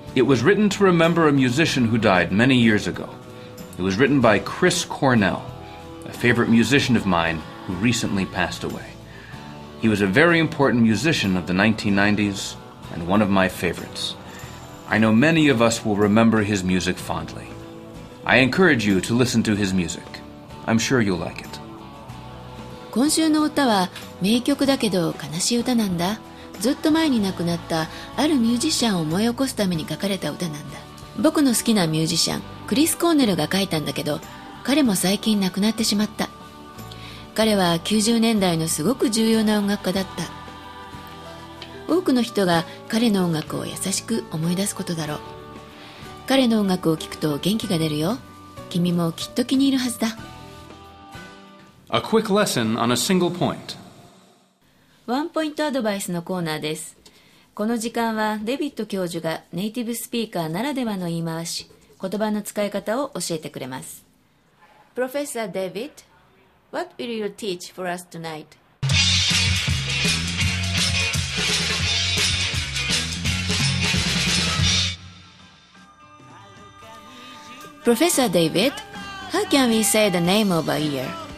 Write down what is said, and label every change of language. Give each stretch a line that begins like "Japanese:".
English: It was written to remember a musician who died many years ago. It was written by Chris Cornell, a favorite musician of mine who recently passed away. He was a very important musician of the 1990s and one of my favorites. I know many of us will remember his music fondly. I encourage you to listen to his music. I'm sure you'll like it.
Japanese: 今週の歌は名曲だけど悲しい歌なんだ。ずっと前に亡くなったあるミュージシャンを思い起こすために書かれた歌なんだ。僕の好きなミュージシャン、クリス・コーネルが書いたんだけど、彼も最近亡くなってしまった。彼は90年代のすごく重要な音楽家だった。多くの人が彼の音楽を優しく思い出すことだろう。彼の音楽を聴くと元気が出るよ。君もきっと気に入るはずだ。
English: A quick lesson on a single point.
Japanese: ワンポイントアドバイスのコーナーです。この時間はデビット教授がネイティブスピーカーならではの言い回し、言葉の使い方を教えてくれます。
English: Professor David, what will you teach for us tonight? Professor David, how can we say the name of a year?